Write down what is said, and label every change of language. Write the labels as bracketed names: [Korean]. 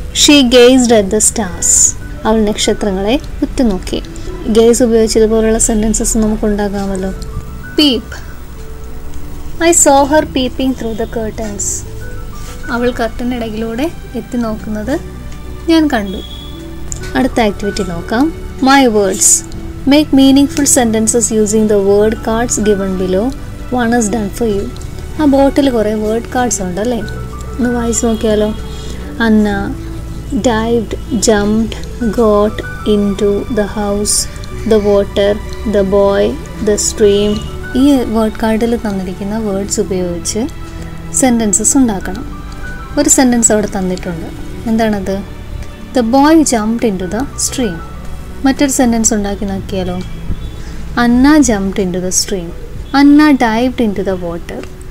[English] She gazed at the stars. [Malayalam] അവൾ നക്ഷത്രങ്ങളെ ഉറ്റുനോക്കി. Guys ഉപയോഗിച്ച് ഇതുപോലുള്ള സെൻറ്റൻസസ് നമുക്ക് ഉണ്ടാകാമല്ലോ. Peep. [English] I saw her peeping through the curtains. [Malayalam] അവൾ കർട്ടനിടയിലൂടെ എത്തി നോക്കുന്നത് ഞാൻ കണ്ടു. അടുത്ത ആക്ടിവിറ്റി നോക്കാം. [English] My words. Make meaningful sentences using the word cards given below. One is done for you. [Malayalam] ആ ബോട്ടിൽ കുറേ വേർഡ് കാർഡ്സ് ഉണ്ടല്ലേ, ഒന്ന് വായിച്ച് നോക്കിയാലോ. അന്ന, dived, jumped, got, [English] into, the house, the water, the boy, the stream. [Malayalam] ഈ word കാർഡിൽ തന്നിരിക്കുന്ന words ഉപയോഗിച്ച് സെൻറ്റൻസസ് ഉണ്ടാക്കണം. ഒരു സെൻറ്റൻസ് അവിടെ തന്നിട്ടുണ്ട്, എന്താണത്? [English] The boy jumped into the stream. [Malayalam] മറ്റൊരു സെൻറ്റൻസ് ഉണ്ടാക്കി നോക്കിയാലോ, [English] Anna jumped into the stream, Anna dived into the water.